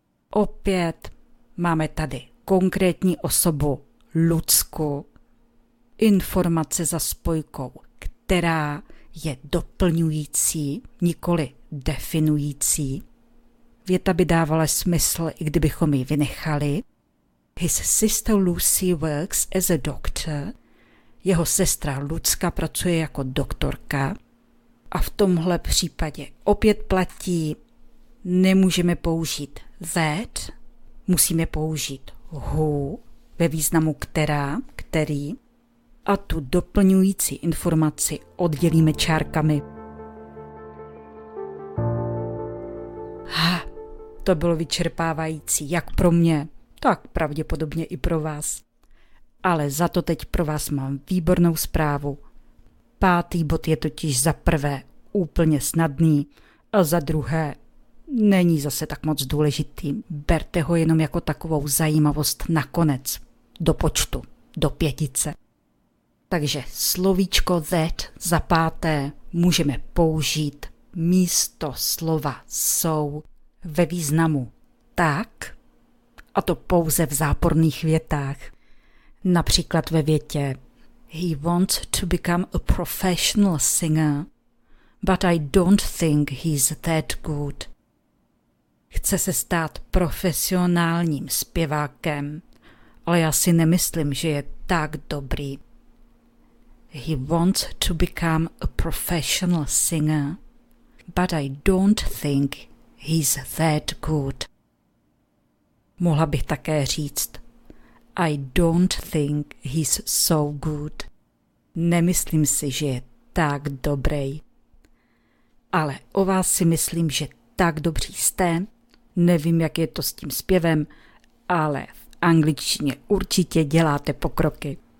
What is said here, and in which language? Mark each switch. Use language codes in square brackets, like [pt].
[cs] Opět máme tady konkrétní osobu Lucku. Informace za spojkou, která je doplňující, nikoli definující. Věta by dávala smysl, i kdybychom ji vynechali. [en] His sister Lucy works as a doctor. [cs] Jeho sestra Lucka pracuje jako doktorka. A v tomhle případě opět platí, nemůžeme použít that, musíme použít who, ve významu která, který, a tu doplňující informaci oddělíme čárkami. Ha, to bylo vyčerpávající, jak pro mě, tak pravděpodobně i pro vás. Ale za to teď pro vás mám výbornou zprávu. 5. bod je totiž za prvé úplně snadný a za druhé není zase tak moc důležitý. Berte ho jenom jako takovou zajímavost nakonec, do počtu, do pětice. Takže slovíčko that za 5. můžeme použít místo slova so ve významu tak, a to pouze v záporných větách. Například ve větě [en] he wants to become a professional singer, but I don't think he's that good. [cs] Chce se stát profesionálním zpěvákem, ale já si nemyslím, že je tak dobrý. [en] He wants to become a professional singer, but I don't think he's that good. [cs] Mohla bych také říct, [en] I don't think he's so good. [cs] Nemyslím si, že je tak dobrý. ale o vás si myslím, že tak dobří jste. Nevím, jak je to s tím zpěvem, ale v angličtině určitě děláte pokroky.